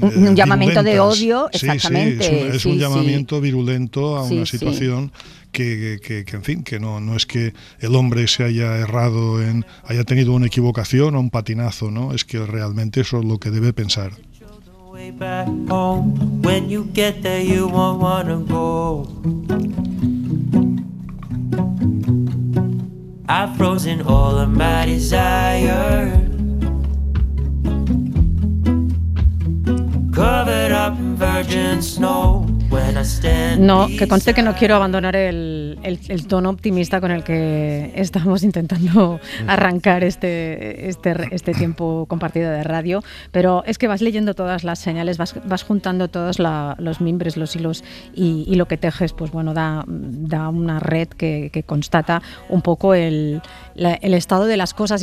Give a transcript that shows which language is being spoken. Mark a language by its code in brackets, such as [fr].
[es] Un llamamiento virulentas. De odio, exactamente. Sí, es un llamamiento virulento a una situación. Sí. No es que el hombre se haya errado, haya tenido una equivocación o un patinazo, ¿no? Es que realmente eso es lo que debe pensar. [en] Back home, when you get there, you won't wanna go. I've frozen all of my desire, covered up in virgin snow. [es] No, que conste que no quiero abandonar el tono optimista con el que estamos intentando arrancar este tiempo compartido de radio, pero es que vas leyendo todas las señales, vas juntando todos los mimbres, los hilos y lo que tejes, pues bueno, da una red que constata un poco el estado de las cosas.